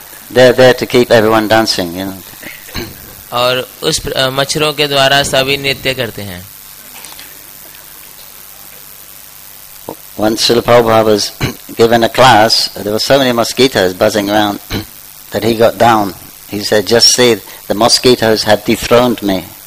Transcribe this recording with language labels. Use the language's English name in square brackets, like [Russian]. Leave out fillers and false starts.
[English] They're there to keep everyone dancing, you know. [Hindi] और उस मच्छरों के द्वारा सभी नृत्य करते हैं. [English] Once Srila Prabhupada was given a class, there were so many mosquitoes buzzing around that he got down. He said, "Just see, the mosquitoes have dethroned me."